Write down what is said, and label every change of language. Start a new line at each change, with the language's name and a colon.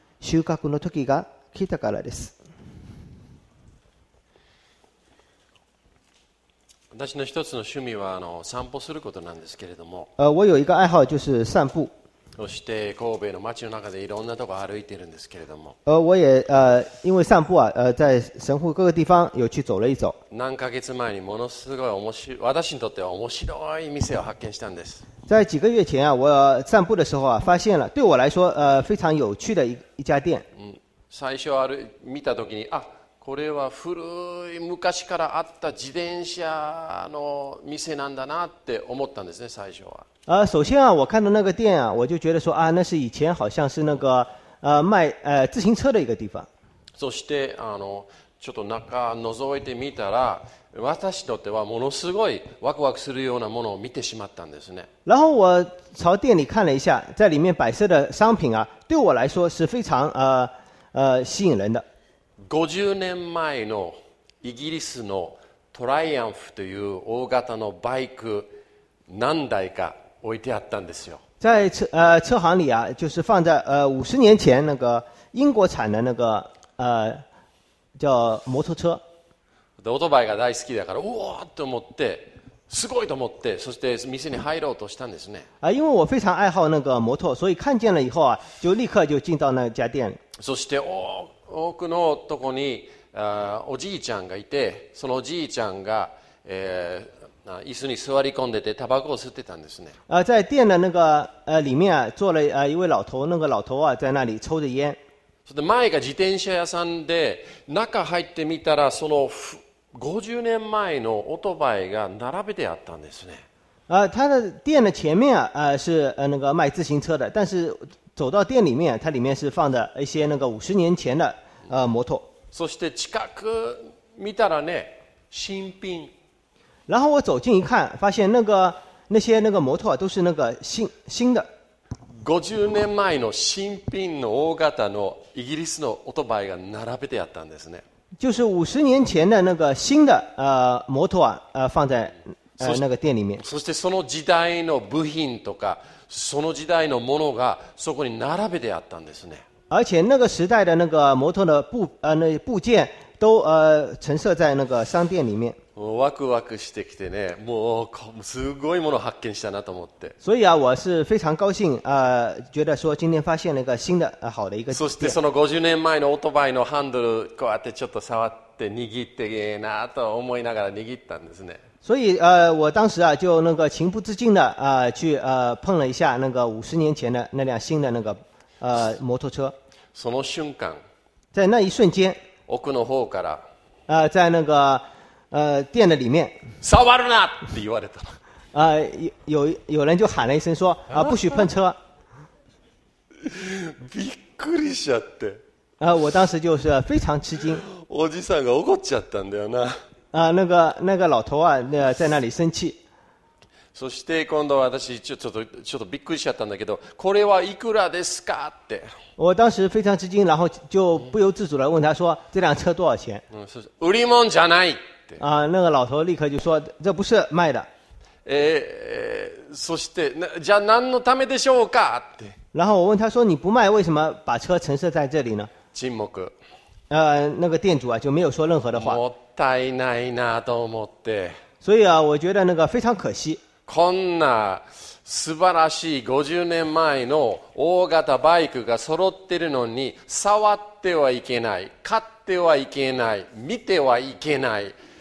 Japanese: 収穫の時が来たからです。私の一つの趣味は散歩することなんですけれども、
Chinese: 我有一个爱好就是散步。
Japanese: そして神戸の街の中でいろんなところ歩いているんですけれども、
Chinese: 我也因为散步啊，在神户各个地方有去走了一走。
Japanese: 何ヶ月前にものすごい私にとっては面白い店を発見したんです。
Chinese: 在几个月前啊，我散步的时候啊，发现了对我来说非常有趣的一家店。
Japanese: 最初見たときに、あ。これは古い昔からあった自転車の店なんだなって思ったんですね、最初は。
Chinese: 首先啊，我看到那个店啊，我就觉得说啊，那是以前好像是那个卖自行车的一个地方。
Japanese: そしてちょっと中覗いてみたら、私にとってはものすごいワクワクするようなものを見てしまったんですね。
Chinese: 然后我朝店里看了一下，在里面摆设的商品啊，对我来说是非常吸引人的。
Japanese: 50年前のイギリスのトライアンフという大型のバイク何台か置いてあったんですよ。
Chinese: 在 车行里啊，就是放在50年前那个英国产的那个叫摩托车。
Japanese: オートバイが大好きだから、うわーと思って、すごいと思って、そして店に入ろうとしたんですね。
Chinese: 因为我非常爱好那个摩托，所以看见了以后啊，就立刻就进到那家店。
Japanese: そして多くのとこにおじいちゃんがいて、そのおじいちゃんが、椅子に座り込んでてタバコを吸ってたんですね。
Chinese: 在店的那个里面啊，坐了一位老头，那个老头啊在那里抽着烟。
Japanese: で前が自転車屋さんで、中入ってみたらその50年前のオートバイが並べてあったんですね。
Chinese: 他的店的前面啊，是那个卖自行车的，但是走到店里面，它里面是放的一些那个五十年前的摩托。
Japanese: そして近く見たらね、新品。
Chinese: 然后我走近一看，发现那些摩托都是那个新的。
Japanese: 50年前の新品の大型のイギリスのオートバイが並べてあったんですね。
Chinese: 就是五十年前的那个新的摩托啊，放在那个店里面。
Japanese: そしてその時代の部品とか。その時代のものがそこに並べてあったんですね。
Chinese: 而且那个时代的那个摩托的部件都陈设在那个商店里面。
Japanese: ワクワクしてきてね、もうすごいものを発見したなと思って。
Chinese: 所以啊，我是非常高兴，觉得说今天发现了一个新的好的一个店。
Japanese: そしてその50年前のオートバイのハンドルこうやってちょっと触って握ってげーなと思いながら握ったんですね。
Chinese: 所以我当时啊就那个情不自禁的去碰了一下那个五十年前的那辆新的那个摩托车。
Japanese: その瞬間。
Chinese: 在那一瞬间。
Japanese: 奥の方から。
Chinese: 在那个店的里面。
Japanese: 触るなって言われた。
Chinese: 有人就喊了一声说不许碰车。
Japanese: びっくりしちゃって。
Chinese: 我当时就是非常吃惊。
Japanese: おじさんが怒っちゃったんだよな。
Chinese: 那个老头啊，在那里生气。
Japanese: そして今度私ちょっとびっくりしちゃったんだけど、これはいくらですかって。
Chinese: 我当时非常吃惊，然后就不由自主地问他说：“这辆车多少钱？”
Japanese: そして売り物じゃないって。
Chinese: 那个老头立刻就说：“这不是卖的。”
Japanese: そしてじゃあ何のためでしょうかって。
Chinese: 然后我问他说：“你不卖，为什么把车陈设在这里呢？”
Japanese: 沈黙。
Chinese: 那个店主啊就没有说任何的话。
Japanese: もったいないなと思って。
Chinese: 所以啊，我觉得那个非常可惜。
Japanese: こんな素晴らしい50年前の大型バイクが揃ってるのに触ってはいけない、買ってはいけない、見てはいけない。